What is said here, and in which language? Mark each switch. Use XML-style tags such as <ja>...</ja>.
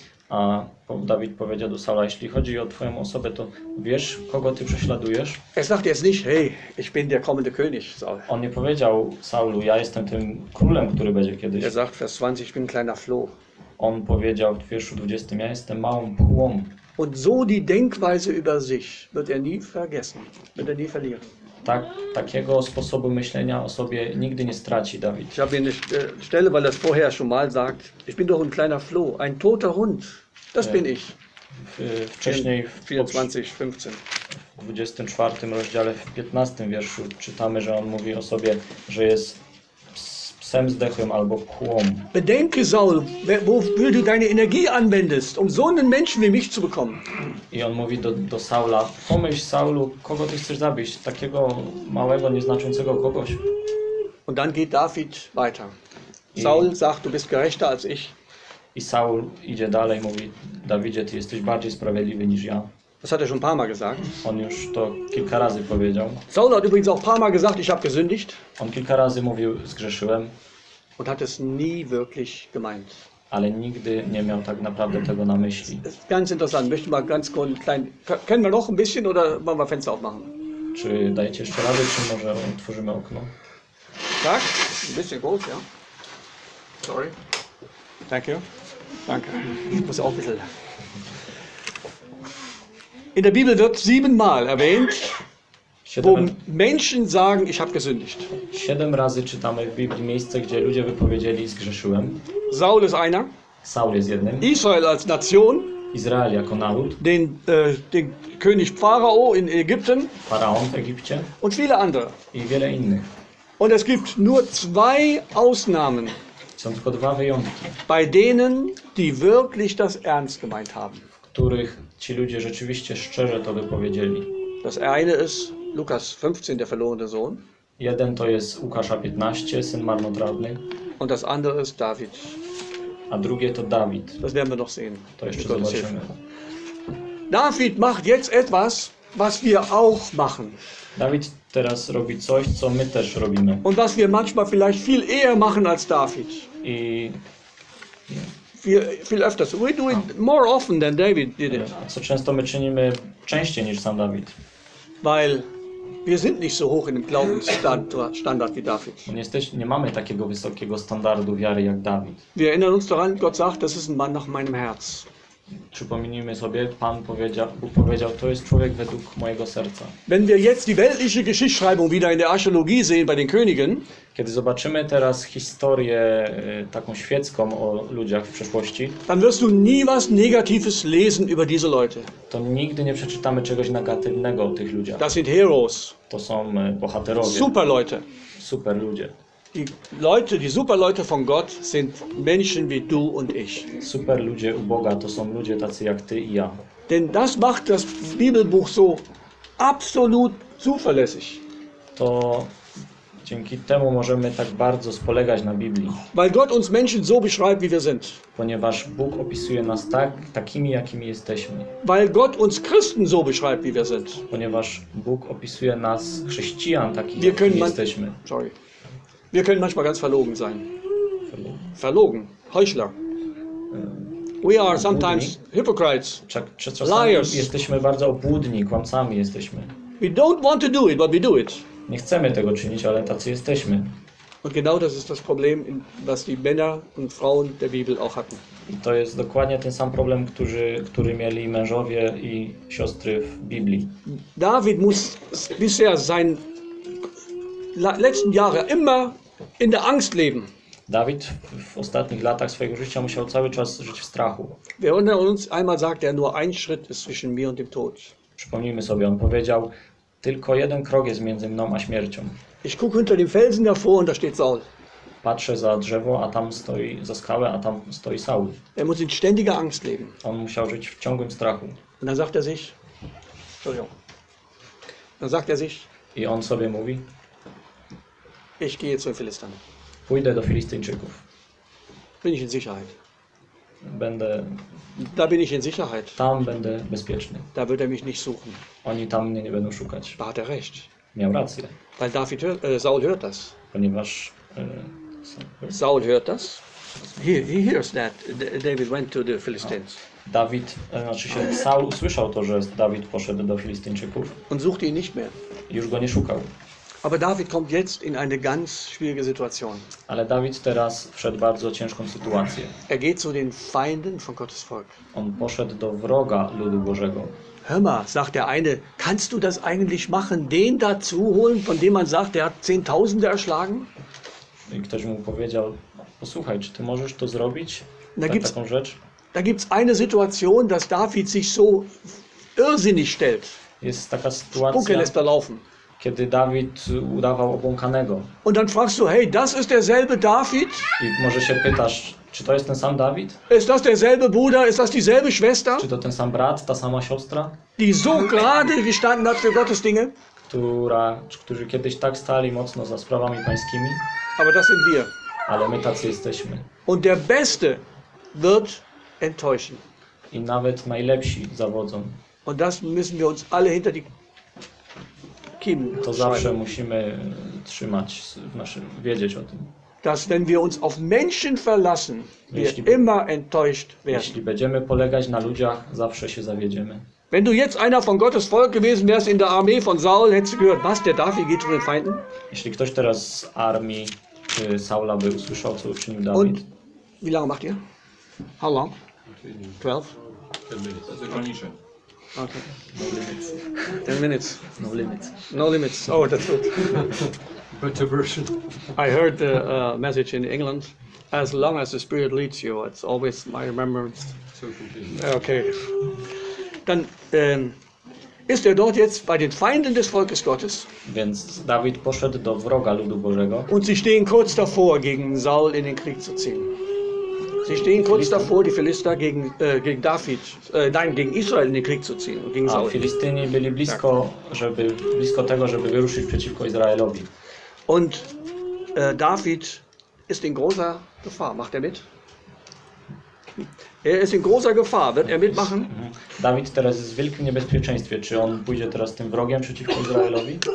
<pl>A Dawid powiedział do Saula, jeśli chodzi o twoją osobę, to wiesz, kogo ty prześladujesz?</pl> <de>Er sagt jetzt nicht, hey, ich bin der kommende König, Saul.</de> <pl>On nie powiedział Saulu, ja jestem tym królem, który będzie kiedyś.</pl> <de>Er sagt, Vers 20, ich bin kleiner Floh.</de> <pl>On powiedział w wierszu 20, ja jestem małą pchłą.</pl> <de>Und so die Denkweise über sich wird er nie vergessen, wird er nie verlieren.</de> <pl>Tak, takiego sposobu myślenia o sobie nigdy nie straci Dawid.</pl> <de>Ich habe eine Stelle, weil das vorher schon mal sagt, ich bin doch ein kleiner Floh, ein toter Hund. Das bin ich.</de> <pl>Wcześniej w 24:15. W 24 rozdziale w 15 wierszu czytamy, że on mówi o sobie, że jest psem zdechłym albo pchłą.</pl> <de>Bedenke Saul, wofür du deine Energie anwendest, um so einen Menschen wie mich zu bekommen.</de> <pl>I on mówi do Saula, pomyśl Saulu, kogo ty chcesz zabić, takiego małego, nieznaczącego kogoś.</pl> <de>Und dann geht David weiter. Saul sagt, du bist gerechter als ich.</de> <pl>I Saul idzie dalej, mówi, Dawidzie, ty jesteś bardziej sprawiedliwy niż ja.</pl> <de>Das hat er schon ein paar Mal gesagt.</de> <pl>On już to kilka razy powiedział.</pl> <de>Saul hat übrigens auch ein paar Mal gesagt, ich habe gesündigt.</de> <pl>On kilka razy mówił, zgrzeszyłem.</pl> <de>Und hat es nie wirklich gemeint.</de> <pl>Ale nigdy nie miał tak naprawdę tego na myśli.</pl> <de>Das ist ganz interessant. Möchte mal ganz kurz klein. Können wir noch ein bisschen oder wollen wir Fenster aufmachen?</de> <pl>Czy dajecie jeszcze radę, czy może otworzymy okno? Tak,</pl> <de>ein bisschen groß, ja. Sorry.</de> <en>Thank you.</en> <de>Danke. Ich muss auch ein bisschen. In der Bibel wird 7-mal erwähnt, wo Menschen sagen, ich habe gesündigt.</de> <pl>7 razy czytamy w Biblii miejsce, gdzie ludzie wypowiedzieli, zgrzeszyłem.</pl> <de>Saul ist einer.</de> <pl>Saul jest jednym.</pl> <de>Israel als Nation.</de> <pl>Izrael jako naród.</pl> <de>Den König Pharao in Ägypten.</de> <pl>Pharaon w Egipcie.</pl> <de>Und viele andere.</de> <pl>I wiele innych.</pl> <de>Und es gibt nur 2 Ausnahmen.</de> <pl>Są tylko 2 wyjątki.</pl> <de>Bei denen, die wirklich das ernst gemeint haben.</de> <pl>W których ci ludzie rzeczywiście szczerze to wypowiedzieli.</pl> <de>Das eine ist Lukas 15, der verlorene Sohn.</de> <pl>Jeden to jest Łukasza 15, syn marnotrawny.</pl> <de>Und das andere ist David.</de> <pl>A drugie to David.</pl> <de>Das werden wir noch sehen.</de> <pl>To jeszcze zobaczymy.</pl> <de>David macht jetzt etwas, was wir auch machen.</de> <pl>David teraz robi coś, co my też robimy.</pl> <de>Und was wir manchmal vielleicht viel eher machen als David.</de> <pl>I...</pl> <de>Viel öfter.</de> <en>We do it more often than David did it.</en> <pl>Co często my czynimy częściej niż sam David.</pl> <de>Weil wir sind nicht so hoch in dem Glaubensstandard wie David.</de> <pl>Nie mamy takiego wysokiego standardu wiary jak David.</pl> <de>Wir erinnern uns daran, Gott sagt, das ist ein Mann nach meinem Herz.</de> <pl>Przypomnijmy sobie, Pan powiedział, to jest człowiek według mojego serca.</pl> <de>Wenn wir jetzt die weltliche Geschichtsschreibung wieder in der Archäologie sehen bei den Königen,</de> <pl>kiedy zobaczymy teraz historię taką świecką o ludziach w przeszłości,</pl> <de>dann wirst du nie was Negatives lesen über diese Leute.</de> <pl>To nigdy nie przeczytamy czegoś negatywnego o tych ludziach.</pl> <de>Das sind Heroes.</de> <pl>To są bohaterowie.</pl> <de>Super Leute.</de> <pl>Super ludzie.</pl> <de>Die Leute, die Superleute von Gott sind Menschen wie du und ich.</de> <pl>Superludzie u Boga to są ludzie tacy jak ty i ja.</pl> <de>Denn das macht das Bibelbuch so absolut zuverlässig.</de> <pl>To dzięki temu możemy tak bardzo polegać na Biblii.</pl> <de>Weil Gott uns Menschen so beschreibt, wie wir sind.</de> <pl>Ponieważ Bóg opisuje nas tak, takimi, jakimi jesteśmy.</pl> <de>Weil Gott uns Christen so beschreibt, wie wir sind.</de> <pl>Ponieważ Bóg opisuje nas chrześcijan takimi, jakimi jesteśmy.</pl> <de>Sorry. Wir können manchmal ganz verlogen sein. Verlogen. Heuchler.</de> <en>We are sometimes hypocrites. Liars.</en> <pl>Jesteśmy bardzo obłudni, kłamcami jesteśmy.</pl> <en>We don't want to do it, but we do it.</en> <pl>Nie chcemy tego czynić, ale tacy jesteśmy.</pl> <de>Und genau das ist das Problem, was die Männer und Frauen der Bibel auch hatten.</de> <pl>I to jest dokładnie ten sam problem, który mieli mężowie i siostry w Biblii.</pl> <de>David muss bisher sein letzten Jahre immer in der Angst leben.</de> <pl>David w ostatnich latach swojego życia musiał cały czas żyć w strachu.</pl> <de>Wer unter uns einmal sagt, er nur ein Schritt ist zwischen mir und dem Tod.</de> <pl>Przypomnijmy sobie, on powiedział, tylko jeden krok jest między mną a śmiercią.</pl> <de>Ich gucke unter dem Felsen davor und da steht Saul.</de> <pl>Patrzę za drzewo, a tam stoi, za skałę, a tam stoi Saul.</pl> <de>Er muss in ständiger Angst leben.</de> <pl>On musiał żyć w ciągłym strachu.</pl> <de>Und dann sagt er sich, Entschuldigung, dann sagt er sich,</de> <pl>i on sobie mówi,</pl> <de>ich gehe zu den Philistern.</de> <pl>Pójdę do Filistyńczyków.</pl> <de>Bin ich in Sicherheit.</de> <pl>Będę.</pl> <de>Da bin ich in Sicherheit.</de> <pl>Tam będę bezpieczny.</pl> <de>Da wird er mich nicht suchen.</de> <pl>Oni tam mnie nie będą szukać.</pl> <de>Da hat er recht.</de> <pl>Miał rację.</pl> <de>Weil David hört, Saul hört das.</de> <pl>Ponieważ</pl> <de>Saul hört das.</de> <en>He hears that David went to the Philistines.</en> <pl>David, znaczy się Saul usłyszał to, że David poszedł do Filistyńczyków.</pl> <de>Und suchte ihn nicht mehr.</de> <pl>Już go nie szukał.</pl> <de>Aber David kommt jetzt in eine ganz schwierige Situation.</de> <pl>Ale David teraz wszedł w bardzo ciężką sytuację.</pl> <de>Er geht zu den Feinden von Gottes Volk.</de> <pl>On poszedł do wroga ludu Bożego.</pl> <de>Hör mal, sagt der eine, kannst du das eigentlich machen, den dazu holen, von dem man sagt, der hat Zehntausende erschlagen?</de> <pl>I ktoś mu powiedział, posłuchaj, czy ty możesz to zrobić? Taką rzecz?</pl> <de>Da gibt's eine Situation, dass David sich so irrsinnig stellt.</de> <pl>Jest taka sytuacja.</pl> <de>Spuke lässt er laufen.</de> <pl>Kiedy Dawid udawał obłąkanego.</pl> <de>Und dann fragst du, hey, das ist derselbe David?</de> <pl>I może się pytasz, czy to jest ten sam Dawid?</pl> <de>Ist das derselbe Bruder? Ist das dieselbe Schwester?</de> <pl>Czy to ten sam brat, ta sama siostra?</pl> <de>Die so gerade gestanden hat für Gottes Dinge?</de> <pl>Którzy kiedyś tak stali mocno za sprawami pańskimi?</pl> <de>Aber das sind wir.</de> <pl>Ale my tacy jesteśmy.</pl> <de>Und der Beste wird enttäuschen.</de> <pl>I nawet najlepsi zawodzą.</pl> <de>Und das müssen wir uns alle hinter die Kim.</de> <pl>To zawsze musimy trzymać w naszym, wiedzieć o tym.</pl> <de>Dass wenn wir uns auf Menschen verlassen, wir immer enttäuscht werden.</de> <pl>Jeśli będziemy polegać na ludziach, zawsze się zawiedziemy.</pl> <de>Wenn du jetzt einer von Gottes Volk gewesen wärst in der Armee von Saul, hättest du gehört, was der David geht zu den Feinden?</de> <pl>Jeśli ktoś teraz z armii Saula by usłyszał, co uczynił Dawid.</pl> <de>Und wie lange macht ihr?</de> <en>How long?</en> <de>12?</de> <en>10 minutes. Okay. 10 minutes. No limits. No limits. Oh, that's good. Better version. I heard the message in England. As long as the Spirit leads you, it's always my remembrance. Okay.</en> <de>Dann ist dort jetzt bei den Feinden des Volkes Gottes.</de> <pl>Więc David poszedł do wroga ludu Bożego.</pl> <de>Und sie stehen kurz davor, gegen Saul in den Krieg zu ziehen. Sie stehen kurz davor, die Philister gegen Israel in den Krieg zu ziehen. Gegen Saul.</de> <pl>Filistyni byli blisko, żeby blisko tego, żeby wyruszyć przeciwko Izraelowi.</pl> <de>Und David ist in großer Gefahr. Macht er mit? Er ist in großer Gefahr. Wird er mitmachen?</de> <pl>David teraz jest w wielkim niebezpieczeństwie. Czy on pójdzie teraz tym wrogiem przeciwko Izraelowi?</pl>